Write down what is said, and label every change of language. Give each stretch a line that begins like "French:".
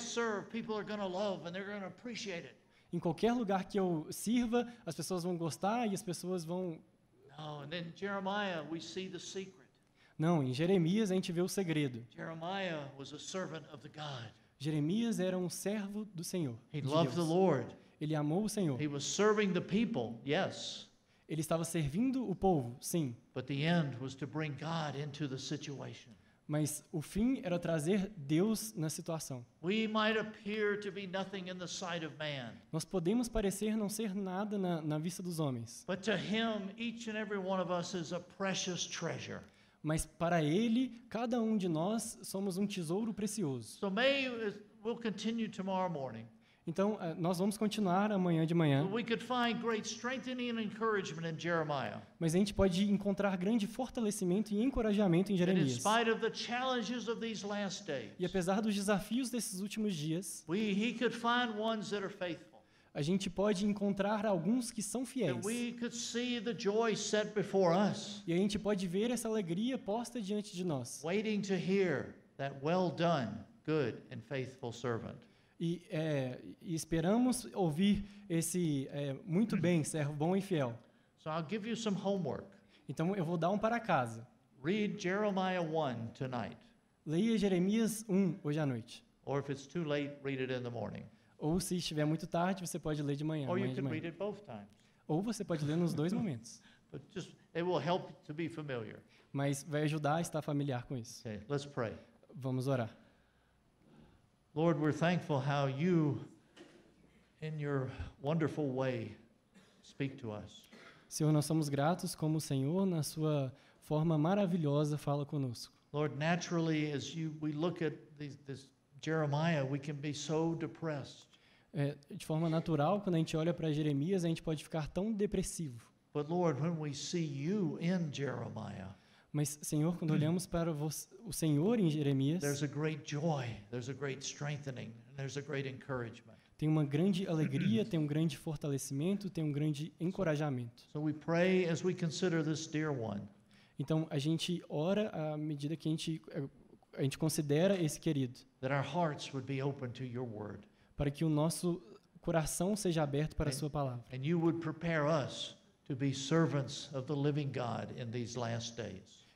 English: serve, people are gonna love and they're gonna appreciate it.
Portuguese: Em qualquer lugar que eu sirva, as pessoas vão gostar e as pessoas vão...
English: No, and then Jeremiah, we see the secret.
Portuguese: Não, em Jeremias a gente vê o segredo.
English: Jeremiah was a servant of the God.
Portuguese: Jeremias era um servo do Senhor.
English: He loved the Lord.
Portuguese: Ele amou o Senhor.
English: He was serving the people, yes.
Portuguese: Ele estava servindo o povo, sim.
English: But the end was to bring God into the situation.
Portuguese: Mas o fim era trazer Deus na situação.
English: We might appear to be nothing in the sight of man.
Portuguese: Nós podemos parecer não ser nada na vista dos homens.
English: But to him, each and every one of us is a precious treasure.
Portuguese: Mas para ele, cada um de nós somos um tesouro precioso.
English: So may we'll continue tomorrow morning.
Portuguese: Então, nós vamos continuar amanhã de manhã.
English: We could find great strengthening and encouragement in Jeremiah.
Portuguese: Mas a gente pode encontrar grande fortalecimento e encorajamento em Jeremias.
English: In spite of the challenges of these last days,
Portuguese: e apesar dos desafios desses últimos dias,
English: he could find ones that are faithful.
Portuguese: A gente pode encontrar alguns que são fiéis.
English: We could see the joy set before us,
Portuguese: e a gente pode ver essa alegria posta diante de nós.
English: Waiting to hear that well done, good and faithful servant.
Portuguese: E esperamos ouvir esse muito bem, servo bom e fiel.
English: So I'll give you some homework.
Portuguese: Então eu vou dar um para casa.
English: Read Jeremiah 1 tonight.
Portuguese: Leia Jeremias 1 hoje à noite.
English: Or if it's too late, read it in the morning.
Portuguese: Ou se estiver muito tarde, você pode ler de manhã.
English: Or you can read it both times.
Portuguese: Ou você pode ler nos dois momentos.
English: But just, it will help to be familiar.
Portuguese: Mas vai ajudar a estar familiar com isso.
English: Okay, let's pray.
Portuguese: Vamos orar.
English: Lord, we're thankful how you In your wonderful way, speak to us.
Portuguese: Senhor, nós somos gratos como o Senhor, na sua forma maravilhosa, fala conosco.
English: Lord, naturally, as we look at this Jeremiah, we can be so depressed.
Portuguese: De forma natural, quando a gente olha para Jeremias, a gente pode ficar tão depressivo.
English: But Lord, when we see you in Jeremiah,
Portuguese: mas, Senhor, quando olhamos para o Senhor em Jeremias,
English: there's a great joy, there's a great strengthening, and there's a great encouragement.
Portuguese: Tem uma grande alegria, tem um grande fortalecimento, tem um grande encorajamento.
English: So we pray as we consider this dear one.
Portuguese: Então, a gente ora à medida que a gente considera esse querido.
English: That our hearts would be open to your word.
Portuguese: Para que o nosso coração seja aberto para a sua palavra.
English: And you would prepare us to be servants of the living God in these last days.